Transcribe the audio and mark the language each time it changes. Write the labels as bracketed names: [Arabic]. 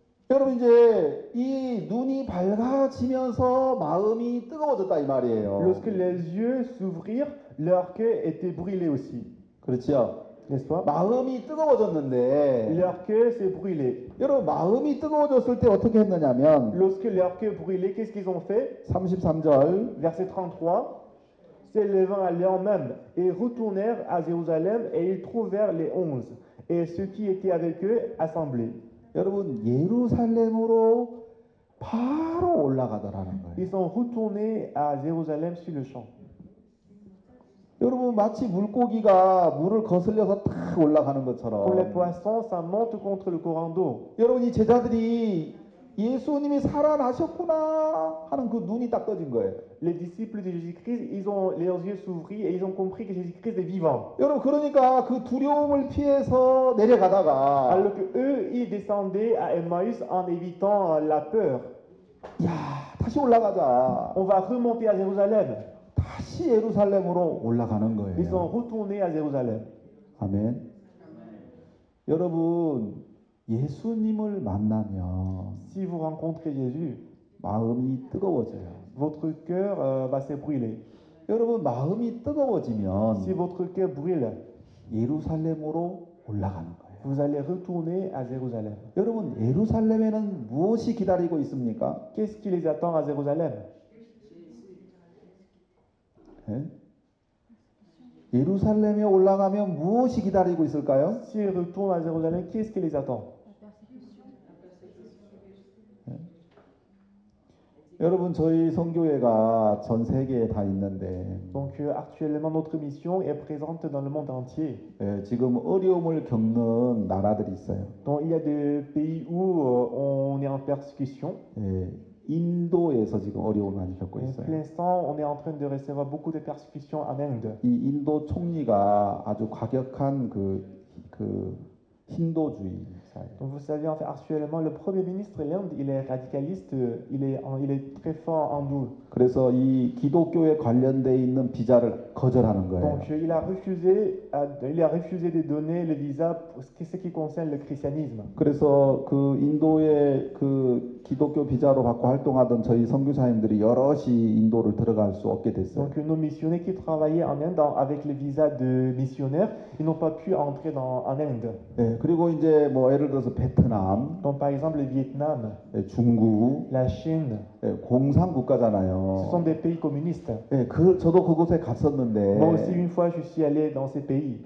[Korean] 여러분 이제 이 눈이 밝아지면서 마음이 뜨거워졌다 이 말이에요. [French] Lorsque les yeux s'ouvrirent, leur cœur était brûlé aussi. [Korean] 그렇죠? [French] N'est-ce pas? [Korean] 마음이 뜨거워졌는데 [French] Leur cœur s'est brûlé. [Korean] 여러분 마음이 뜨거워졌을 때 어떻게 했느냐면 [French] Lorsque leur cœur brûlait, qu'est-ce qu'ils ont fait? [Korean] 33절 [French] Verset 33. S'élevant à l'heure même, ils retournèrent à Jérusalem et ils trouvèrent les onze et ceux qui étaient avec eux assemblés. [Korean] 여러분 예루살렘으로 바로 올라가더라는 [French] Ils sont retournés à Jérusalem sur le champ. [Korean] 여러분 마치 물고기가 물을 거슬려서 탁 올라가는 [French] Pour les [Korean] 것처럼 [French] poissons, ça monte contre le courant d'eau. [Korean] 여러분 이 제자들이 예수님이 살아나셨구나 하는 그 눈이 딱 떠진 거예요. [French] Les disciples de Jésus-Christ, ils ont leurs yeux s'ouvrir et ils ont compris que Jésus-Christ est vivant. [Korean] 여러분 그러니까 그 두려움을 피해서 내려가다가 [French] Alors que eux, ils descendaient à Emmaüs en évitant la peur. [Korean] 다시 올라가자. [French] On va remonter à Jérusalem. [Korean] 다시 예루살렘으로 올라가는 [French] Ils [Korean] 거예요. [French] sont retournés à Jérusalem. [Korean] 아멘. 여러분, 예수님을 만나면 [French] Si vous rencontrez Jésus, [Korean] 마음이 뜨거워져요. [French] votre cœur va se brûler. [Korean] 여러분, 마음이 [French] Si [Korean] 뜨거워지면 [French] votre cœur brûle, [Korean] 예루살렘으로 올라가는 거예요. [French] vous allez retourner à Jérusalem. [Korean] 여러분, 예루살렘에는 무엇이 기다리고 있습니까? [French] Qu'est-ce qui les attend à Jérusalem? [Korean] 예루살렘에 올라가면 무엇이 기다리고 있을까요? [French] Si ils retournent à Jérusalem, qu'est-ce qui les attend? [Korean] 여러분, 저희 선교회가 전 세계에 다 있는데, [French] Donc, actuellement, notre mission est présente dans le monde entier. [Korean] 지금 어려움을 겪는 나라들이 있어요. [French] Donc, il y a des pays où on est en persécution. [Korean] 인도에서 지금 어려움을 많이 겪고 [French] Et pour l'instant, on est en train de recevoir beaucoup de persécutions en Inde. [Korean] 있어요. 이 인도 총리가 아주 과격한 힌두주의. [French] Donc vous savez, en fait, actuellement, le premier ministre l'Inde, il est radicaliste, il est très fort en hindou. [Korean] 그래서 이 기독교에 관련돼 있는 비자를 거절하는 [French] Donc, [Korean] 거예요. [French] il a refusé de donner le visa pour ce qui concerne le christianisme. [Korean] 그래서 그 인도의 그 기독교 비자로 받고 활동하던 저희 선교사님들이 여럿이 인도를 들어갈 수 없게 됐어요. [French] Donc, nos missionnaires qui travaillaient en Inde avec le visa de missionnaire, ils n'ont pas pu entrer en Inde. [Korean] 그리고 이제 뭐 예를 들어서 베트남, [French] Donc, par exemple, le Vietnam, [Korean] 중국, [French] la Chine, [Korean] 공산 국가잖아요. [French] Ce sont des pays communistes. [Korean] 저도 그곳에 [French] Moi aussi, [Korean] 갔었는데, [French] une fois, je suis allé dans ces pays.